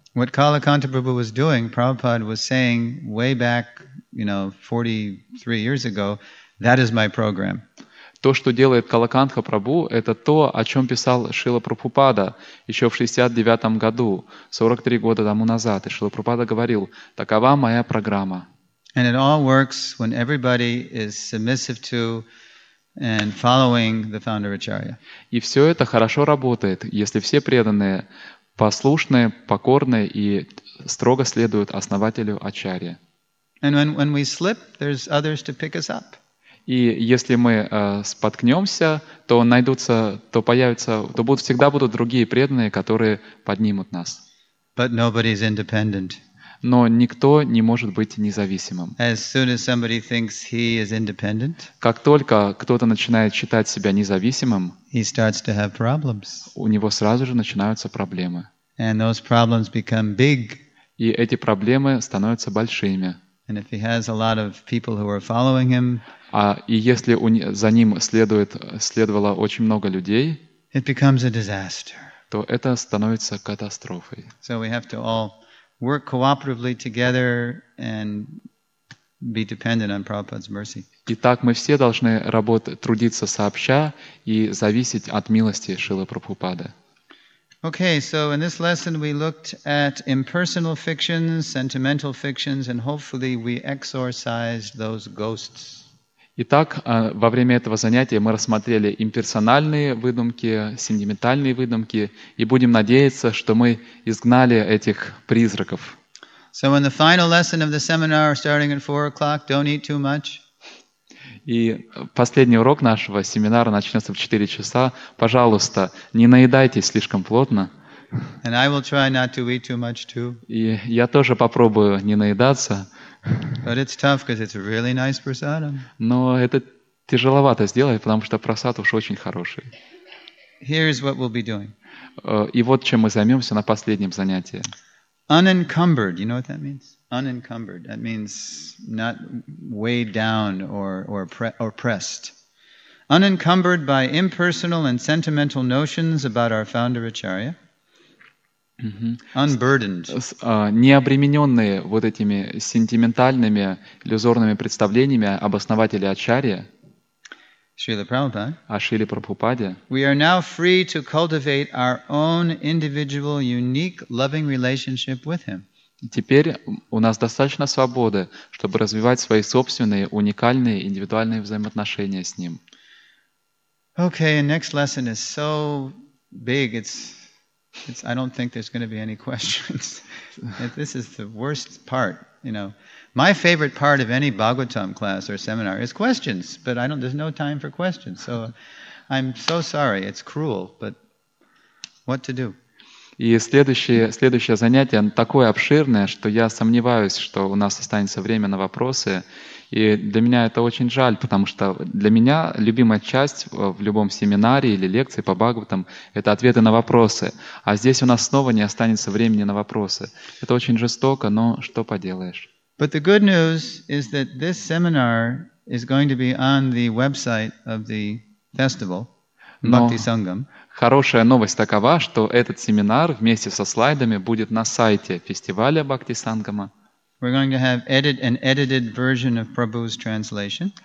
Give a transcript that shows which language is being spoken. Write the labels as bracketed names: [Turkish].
[English] What Kalakanta Prabhu was doing, Prabhupada was saying way back, you know, 43 years ago, that is my program. [Russian] То, что делает Калаканха Прабху, это то, о чем писал Шрила Прабхупада еще в 69 году, 43 года тому назад. И Шрила Прабхупада говорил, такова моя программа. [English] And it all works when everybody is submissive to and following the founder Acharya. [Russian] И все это хорошо работает, если все преданные послушны, покорны и строго следуют основателю Ачарьи. [English] And when we slip, there's others to pick us up. [Russian] И если мы споткнемся, то найдутся, то появятся, то будут, всегда будут другие преданные, которые поднимут нас. [English] But nobody is independent. [Russian] Но никто не может быть независимым. [English] As soon as somebody thinks he is independent, [Russian] как только кто-то начинает считать себя независимым, [English] he starts to have problems. [Russian] У него сразу же начинаются проблемы. [English] And those problems become big. [Russian] И эти проблемы становятся большими. [English] And if he has a lot of people who are following him, [Russian] и если за ним следовало очень много людей, [English] it becomes a disaster. [Russian] То это становится катастрофой. [English] So we have to all work cooperatively together and be dependent on Prabhupada's mercy. [Russian] Итак, мы все должны трудиться сообща и зависеть от милости Шрилы Прабхупады. [English] Okay, so in this lesson we looked at impersonal fictions, sentimental fictions, and hopefully we exorcised those ghosts. [Russian] Итак, во время этого занятия мы рассмотрели имперсональные выдумки, сентиментальные выдумки, и будем надеяться, что мы изгнали этих призраков. [English] So in the final lesson of the seminar, starting at 4 o'clock, don't eat too much. [Russian] И последний урок нашего семинара начнется в 4 часа. Пожалуйста, не наедайтесь слишком плотно. [English] And I will try not to eat too much too. [Russian] И я тоже попробую не наедаться. [English] But it's tough because it's really nice prasadam. [Russian] Но это тяжеловато сделать, потому что просад уж очень хороший. [English] Here's what we'll be doing. [Russian] И вот чем мы займемся на последнем занятии. [English] Unencumbered. You know what that means? Unencumbered. That means not weighed down or pressed. Unencumbered by impersonal and sentimental notions about our founder Acharya. Unburdened. [Russian] Не обремененные вот этими сентиментальными иллюзорными представлениями об основателе Ачарьи, о Шриле Прабхупаде, [English] we are now free to cultivate our own individual unique loving relationship with him. [Russian] Теперь у нас достаточно свободы, чтобы развивать свои собственные уникальные индивидуальные взаимоотношения с ним. [English] Okay, and next lesson is so big, it's, I don't think there's going to be any questions. This is the worst part, you know. My favorite part of any Bhagavatam class or seminar is questions, but there's no time for questions. So I'm so sorry, it's cruel, but what to do? [Russian] И следующее занятие такое обширное, что я сомневаюсь, что у нас останется время на вопросы. И для меня это очень жаль, потому что для меня любимая часть в любом семинаре или лекции по Бхагаватам — это ответы на вопросы. А здесь у нас снова не останется времени на вопросы. Это очень жестоко, но что поделаешь. [English] But the good news is that this seminar is going to be on the website of the festival, Bhakti Sangam. [Russian] Хорошая новость такова, что этот семинар вместе со слайдами будет на сайте фестиваля Бхакти Сангама. [English] We're going to have an edited version of Prabhu's translation.